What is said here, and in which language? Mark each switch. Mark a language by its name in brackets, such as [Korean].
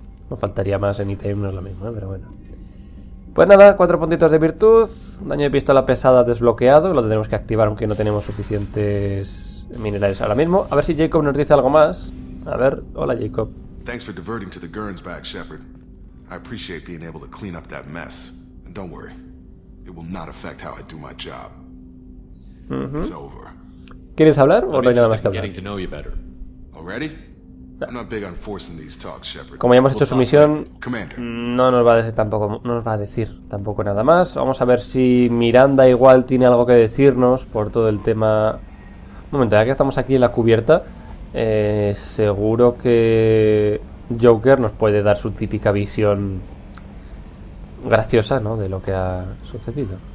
[Spanish] No faltaría más en item, no es lo mismo, pero bueno. Pues nada, 4 puntitos de virtud. Daño de pistola pesada desbloqueado. Lo tenemos que activar aunque no tenemos suficientes minerales ahora mismo. A ver si Jacob nos dice algo más. A ver, hola Jacob. [English] Thanks for diverting to the Gurns back, Shepard. I appreciate being able to clean up that mess. And don't worry, it will not affect how I do my job. It's over. [Spanish] ¿Quieres hablar o no hay nada más que hablar? [English] Already? I'm not big on forcing these talks, Shepard. [Spanish] Como ya hemos hecho su misión, no nos va a decir tampoco nada más. Vamos a ver si Miranda igual tiene algo que decirnos por todo el tema. Un momento, ya que estamos aquí en la cubierta, seguro que Joker nos puede dar su típica visión graciosa, ¿no? De lo que ha sucedido.